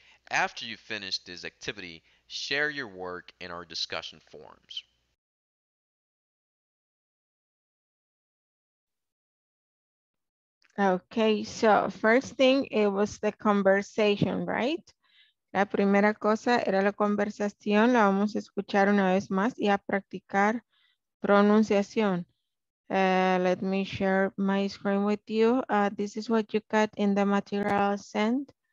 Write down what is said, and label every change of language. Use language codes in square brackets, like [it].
[en] After you finish this activity, share your work in our discussion forums. Okay, so first thing, it was the conversation, right? [es] La primera cosa era la conversación. La vamos a escuchar una vez más y a practicar pronunciación. [en] Let me share my screen with you. This is what you got in the material sent.